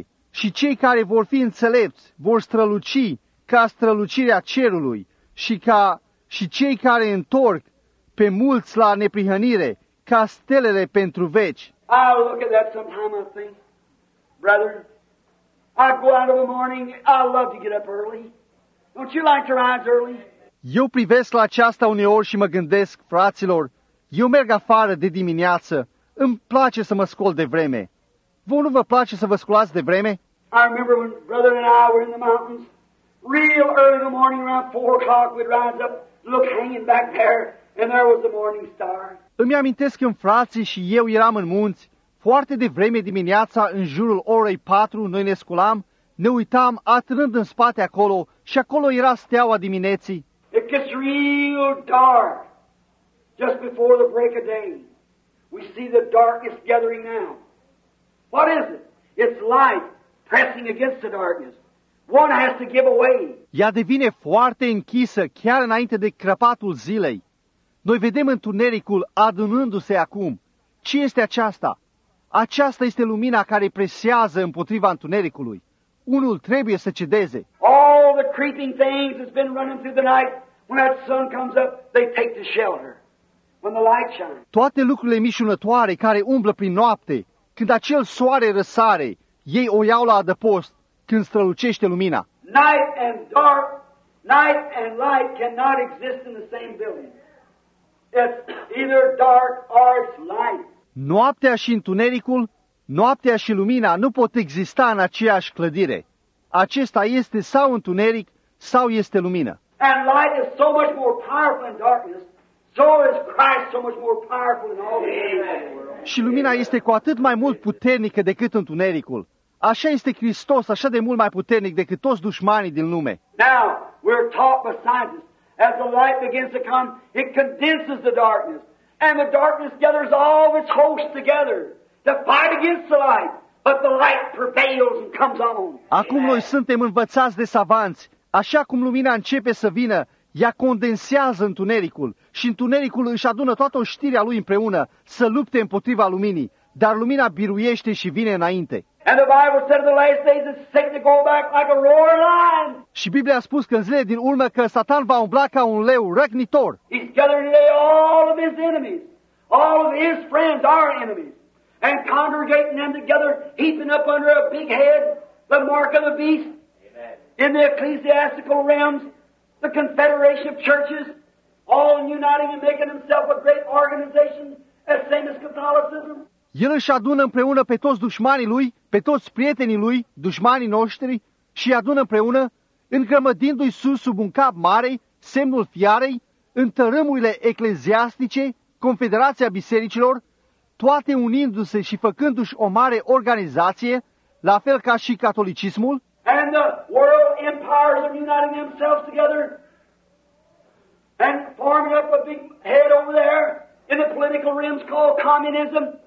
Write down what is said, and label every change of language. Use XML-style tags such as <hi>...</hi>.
<ro>Și cei care vor fi înțelepți vor străluci ca strălucirea cerului și cei care întorc pe mulți la neprihănire ca stelele pentru veci.</ro> <en>I look at that sometime, I think, brother, I go out of the morning, I love to get up early. Don't you like to rise early?</en> <ro>Eu privesc la aceasta uneori și mă gândesc, fraților, eu merg afară de dimineață. Îmi place să mă scol de vreme. Vă nu vă place să vă sculați de vreme?</ro> <en>I remember when brother and I were in the mountains, real early in the morning, around 4 o'clock, we'd rise up, look hanging back there, and there was the morning star.</en> <ro>Îmi amintesc când frații și eu eram în munți, foarte devreme dimineața, în jurul orei 4, noi ne sculam, ne uitam atârnând în spate acolo și acolo era steaua dimineții.</ro> <en>It gets real dark just before the break of day. We see the darkness gathering now. What is it? It's light pressing against the darkness. One has to give away.</en> <ro>Ea devine foarte închisă chiar înainte de crăpatul zilei. Noi vedem întunericul adunându-se acum. Ce este aceasta? Aceasta este lumina care presează împotriva întunericului. Unul trebuie să cedeze.</ro> <en>All the creeping things that's been running through the night, when that sun comes up, they take the shelter. When the light shines.</en> <ro>Toate lucrurile mișunătoare care umblă prin noapte, când acel soare răsare, ei o iau la adăpost, când strălucește lumina.</ro> <en>Night and dark, night and light cannot exist in the same building. It's either dark or it's light.</en> <ro>Noaptea și întunericul, noaptea și lumina nu pot exista în aceeași clădire. Acesta este sau întuneric, sau este lumină.</ro> <en>And light is so much more powerful than darkness, so is Christ so much more powerful than all the other world.</en> <ro>Și lumina este cu atât mai mult puternică decât întunericul. Așa este Hristos, așa de mult mai puternic decât toți dușmanii din lume.</ro> <en>Now, we're taught by scientists, as the light begins to come, it condenses the darkness. And the darkness gathers all of its hosts together to fight against the light. But the light prevails and comes on.</en> <ro>Acum noi suntem învățați de savanți. Așa cum lumina începe să vină, ea condensează întunericul. Și întunericul își adună toată oștirea lui împreună să lupte împotriva luminii. Dar lumina biruiește și vine înainte.</ro> <en>And the Bible said in the last days that Satan will go back like a roaring lion.</en> <ro>Și Biblia a spus că în zile din urmă că Satan va umbla ca un leu răgnitor.</ro> <en>He's gathering today all of his enemies, all of his friends, our enemies, and congregating them together, heaping up under a big head the mark of the beast. Amen. In the ecclesiastical realms, the confederation of churches, all uniting and making himself a great organization, as same as Catholicism.</en> <ro>El își adună împreună pe toți dușmanii lui, pe toți prietenii lui, dușmanii noștri, și îi adună împreună, îngrămădindu-i sus sub un cap mare, semnul fiarei, în tărâmurile ecleziastice, Confederația Bisericilor, toate unindu-se și făcându-și o mare organizație, la fel ca și catolicismul.</ro> <en>And the world empires are uniting themselves together and forming up a big head over there in the political realms called communism.</en>